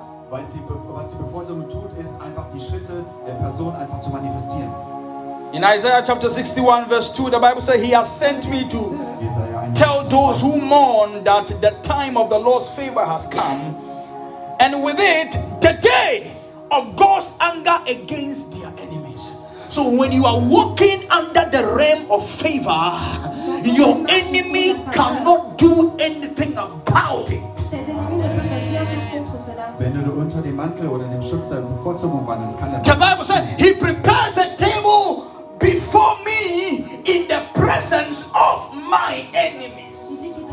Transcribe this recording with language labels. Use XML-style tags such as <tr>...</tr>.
<de>Was die Bevorzugung tut, ist einfach die Schritte der Person einfach zu manifestieren.</de> <en>In Isaiah chapter 61 verse 2, the Bible says, he has sent me to tell those who mourn that the time of the Lord's favor has come, and with it, the day of God's anger against their enemies. So when you are walking under the realm of favor, your enemy cannot do anything about it.</en> <de>Wenn du unter dem Mantel oder dem Schutz der Bevorzugung wandelst, kann der</de> <en>The Bible says, he prepares a table before me in the presence of my enemies.</en>